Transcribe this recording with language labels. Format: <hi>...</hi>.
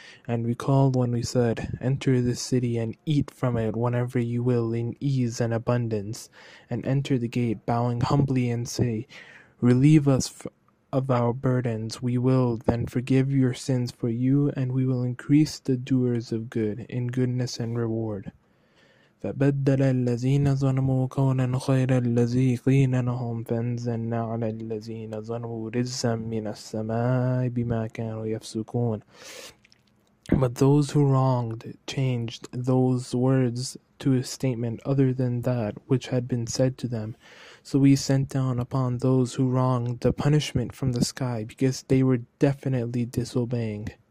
<en>And we called when we said, Enter this city and eat from it whenever you will in ease and abundance, and enter the gate bowing humbly and say, Relieve us of our burdens, we will then forgive your sins for you, and we will increase the doers of good in goodness and reward.</en> <ar>فبدل الذين ظلموا قولا خير الذي قيل لهم فانزلنا على الذين ظلموا رجزا من السماء بما كانوا يفسقون.</ar> <en>But those who wronged changed those words to a statement other than that which had been said to them. So we sent down upon those who wronged the punishment from the sky because they were definitely disobeying.</en>